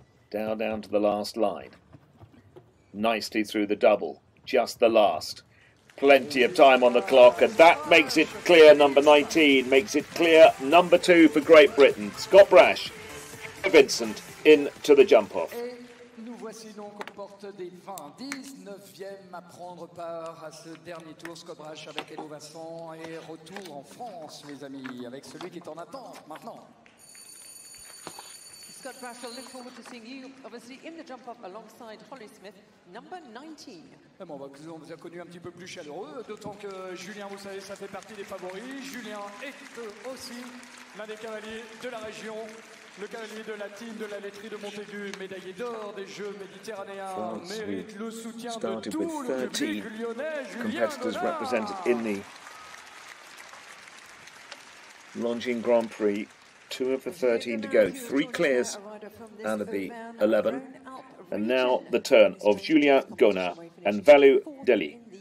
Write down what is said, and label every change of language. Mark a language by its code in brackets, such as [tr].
[en] Down to the last line. Nicely through the double, just the last. Plenty of time on the clock, and that makes it clear, number 19. Makes it clear, number 2 for Great Britain. Scott Brash, Vincent, in to the jump-off. [fr] Voici donc aux portes des 20, 19e à prendre part à ce dernier tour, Scott Brash avec Hello Vincent et retour en France, mes amis, avec celui qui est en attente maintenant. [en] Scott Brash, I look forward to seeing you, obviously, in the jump-off alongside Holly Smith, number 19. [fr] Bon, on vous a connu un petit peu plus chaleureux, d'autant que Julien, vous savez, ça fait partie des favoris. Julien est aussi l'un des cavaliers de la région. Le cavalier de la team de la laiterie de Montaigu, médaillé d'or des Jeux méditerranéens, mérite le soutien de tout le public lyonnais. [en] Competitors represented in the Longines Grand Prix, two of the 13 to go, three clears out of the 11, and now the turn of Julien Gonard and Valu Deli.